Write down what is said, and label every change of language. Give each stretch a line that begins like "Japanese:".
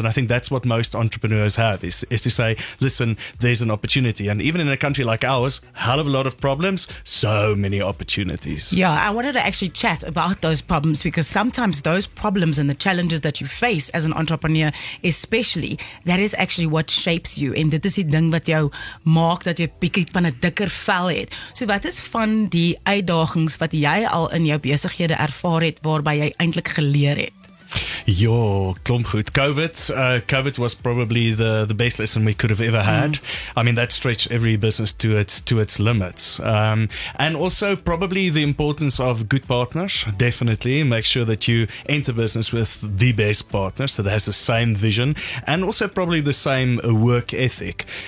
English: And I think that's what most entrepreneurs have is to say, listen, there's an opportunity. And even in a country like ours, hell of a lot of problems, so many opportunities. Yeah, I wanted to actually chat about those problems because sometimes those problems and the challenges that you face as an entrepreneur, especially, that is actually what shapes you.
Afrikaans: And dit is die ding wat jou maak dat jy bietjie van 'n dikker vel het. So wat is van die uitdagings wat jy al in jou besighede ervaar het waarby jy eintlik geleer het? Jo, klomp goed.
English: COVID was probably the best lesson we could have ever had. I mean, that stretched every business to its limits. And also probably the importance of good partners. Definitely make sure that you enter business with the best partners that has the same vision and also probably the same work ethic.